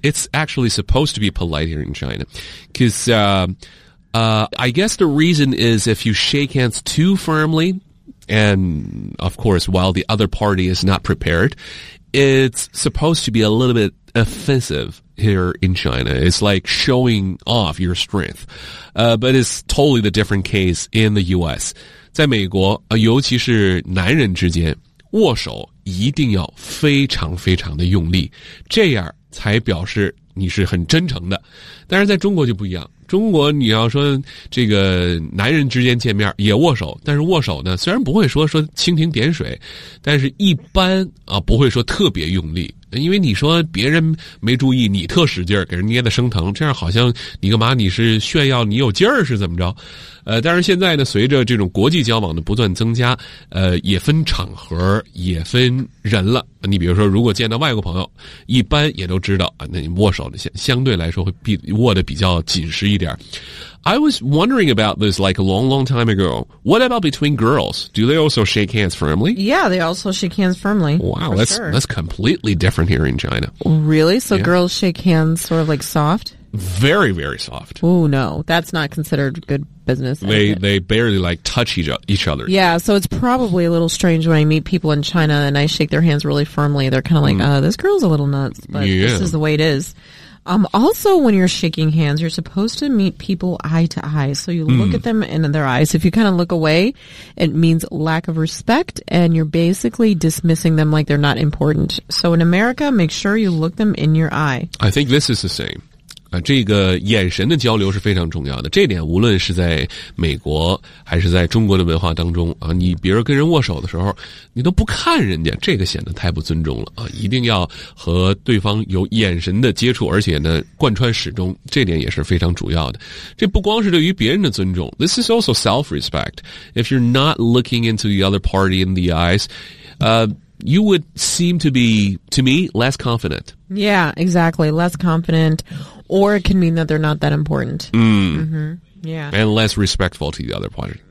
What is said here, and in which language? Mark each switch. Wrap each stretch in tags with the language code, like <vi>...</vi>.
<en>It's actually supposed to be polite here in China. Because I guess the reason is if you shake hands too firmly... And, of course, while the other party is not prepared, it's supposed to be a little bit offensive here in China. It's like showing off your strength. But it's totally the different case in the U.S.</en> <zh>在美国、尤其是男人之间握手一定要非常非常的用力。这样才表示你是很真诚的。但是在中国就不一样。中国你要说这个男人之间见面也握手，但是握手呢虽然不会说蜻蜓点水，但是一般啊不会说特别用力，因为你说别人没注意你特使劲儿给人捏得生疼，这样好像你干嘛，你是炫耀你有劲儿是怎么着。但是现在呢随着这种国际交往的不断增加，也分场合也分人了。你比如说如果见到外国朋友一般也都知道啊，那你握手的相对来说会握得比较紧实一点。</zh> <en>I was wondering about this like a long, long time ago. What about between girls? Do they also shake hands firmly? Yeah, they also shake hands firmly. Wow, that's,、 sure. that's completely different here in China. Really? So、yeah. girls shake hands sort of like soft? Very, very soft. Oh, no. That's not considered good business. They barely like touch each other. Yeah, so it's probably a little strange when I meet people in China and I shake their hands really firmly. They're kind of like,、this girl's a little nuts, but、 yeah. this is the way it is. Also, when you're shaking hands, you're supposed to meet people eye to eye. So you look at them in their eyes. If you kind of look away, it means lack of respect, and you're basically dismissing them like they're not important. So in America, make sure you look them in your eye. I think this is the same.</en> <zh>这个眼神的交流是非常重要的，这点无论是在美国还是在中国的文化当中啊，你比如跟人握手的时候你都不看人家，这个显得太不尊重了啊！一定要和对方有眼神的接触，而且呢贯穿始终，这点也是非常主要的。这不光是对于别人的尊重，</zh> <en>This is also self-respect. If you're not looking into the other party in the eyes, you would seem to be, to me, less confident. Yeah, exactly. Less confidentOr it can mean that they're not that important. Yeah. And less respectful to the other party.</en>